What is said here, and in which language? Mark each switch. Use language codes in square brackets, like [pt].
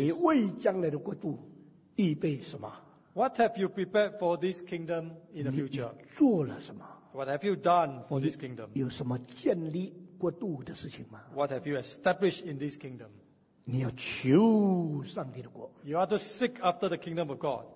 [zh] 你为将来的国度预备什么? [en] What have you prepared for this kingdom in the future? [zh] 你做了什么? [en] What have you done for this kingdom? [zh] 有什么建立国度的事情吗? [en] What have you established in this kingdom? [zh] 你要求上帝的国, [en] you are to seek after the kingdom of God.